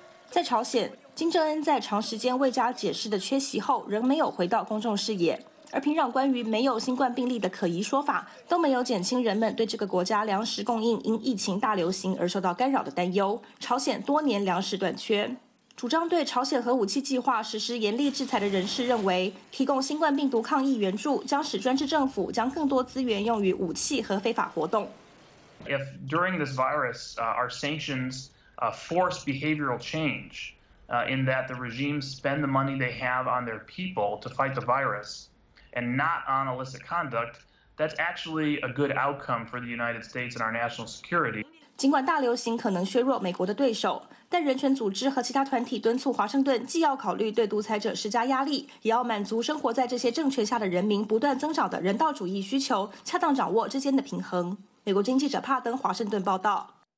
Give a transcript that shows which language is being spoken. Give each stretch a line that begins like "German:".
Chinese: 在朝鲜，金正恩在长时间未加解释的缺席后，仍没有回到公众视野，而平壤关于没有新冠病例的可疑说法，都没有减轻人们对这个国家粮食供应因疫情大流行而受到干扰的担忧。朝鲜多年粮食短缺。主张对朝鲜核武器计划实施严厉制裁的人士认为，提供新冠病毒抗疫援助将使专制政府将更多资源用于武器和非法活动。
English: If during this virus, our sanctions, force behavioral change, in that the regime spend the money they have on their people to fight the virus and not on illicit conduct, that's actually a good outcome for the United States and our national security.
Chinese: 尽管大流行可能削弱美国的对手，但人权组织和其他团体敦促华盛顿既要考虑对独裁者施加压力，也要满足生活在这些政权下的人民不断增长的人道主义需求，恰当掌握之间的平衡。美国经济记者帕登华盛顿报道。